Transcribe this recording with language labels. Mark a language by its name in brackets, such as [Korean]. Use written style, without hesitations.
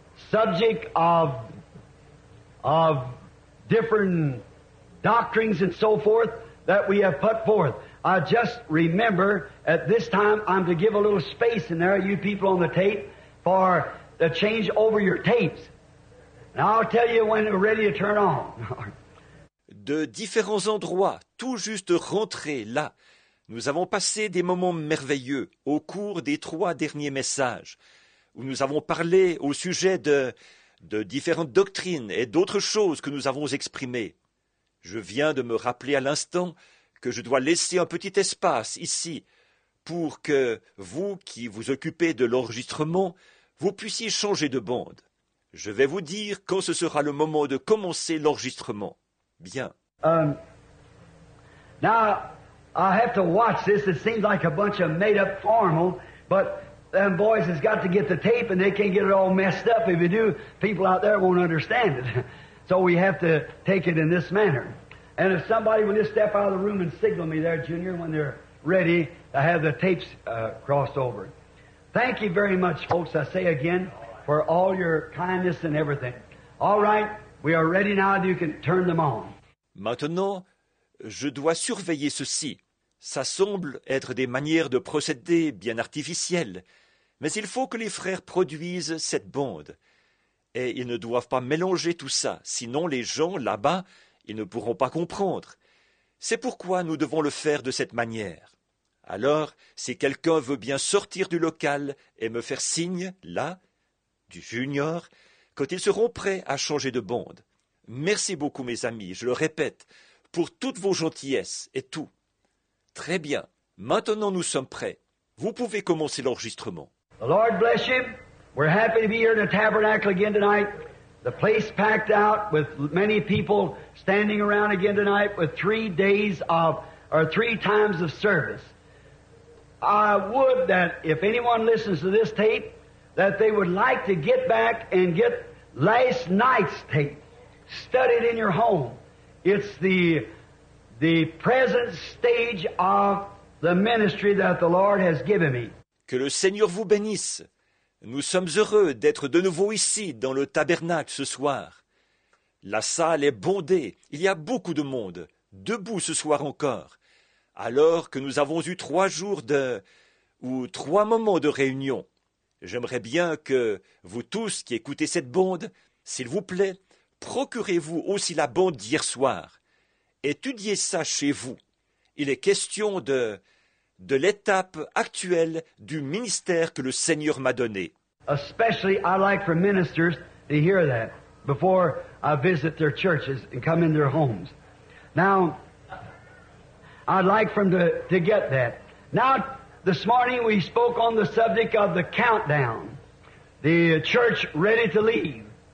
[English] subject of different doctrines and so forth that we have put forth. I just remember at this time I'm to give a little space in there, you people on the tape, for the change over your tapes. Now I'll tell you when we're ready to turn on. [French] De différents endroits, tout juste rentrés là, nous avons passé des moments merveilleux au cours des trois derniers messages, où nous avons parlé au sujet de différentes doctrines et d'autres choses que nous avons exprimées. Je viens de me rappeler à l'instant que je dois laisser un petit espace ici pour que vous qui vous occupez de l'enregistrement, vous puissiez changer de bande. Je vais vous dire quand ce sera le moment de commencer l'enregistrement. Bien. [English] Now, I have to watch this. It seems like a bunch of made-up formal, but them boys has got to get the tape and they can't get it all messed up. If you do, people out there won't understand it. So we have to take it in this manner. And if somebody will just step out of the room and signal me there, Junior, when they're ready, I have the tapes crossed over. Thank you very much, folks, I say again, for all your kindness and everything. All right, we are ready now, you can turn them on. [French] Maintenant, je dois surveiller ceci. Ça semble être des manières de procéder bien artificielles, mais il faut que les frères produisent cette bande. Et ils ne doivent pas mélanger tout ça, sinon les gens là-bas, ils ne pourront pas comprendre. C'est pourquoi nous devons le faire de cette manière. Alors, si quelqu'un veut bien sortir du local et me faire signe, là, du junior, quand ils seront prêts à changer de bande. Merci beaucoup, mes amis, je le répète, pour toutes vos gentillesses et tout. Très bien, maintenant nous sommes prêts. Vous pouvez commencer l'enregistrement. [English] The Lord bless you. We're happy to be here in the tabernacle again tonight. The place packed out with many people standing around again tonight with 3 days of, or 3 times of service. I would that if anyone listens to this tape, that they would like to get back and get last night's tape. Study it in your home. It's the present stage of the ministry that the Lord has given me. [French] Que le Seigneur vous bénisse. Nous sommes heureux d'être de nouveau ici dans le tabernacle ce soir. La salle est bondée, il y a beaucoup de monde, debout ce soir encore, alors que nous avons eu 3 jours de... ou 3 moments de réunion. J'aimerais bien que vous tous qui écoutez cette bande, s'il vous plaît, procurez-vous aussi la bande d'hier soir. Étudiez ça chez vous. Il est question de l'étape actuelle du ministère que le Seigneur m'a donné. [English] Especially I like for ministers to hear that before I visit their churches and come in their homes. Now, I'd like for them to get that. Now, this morning we spoke on the subject of the countdown, the church ready to leave.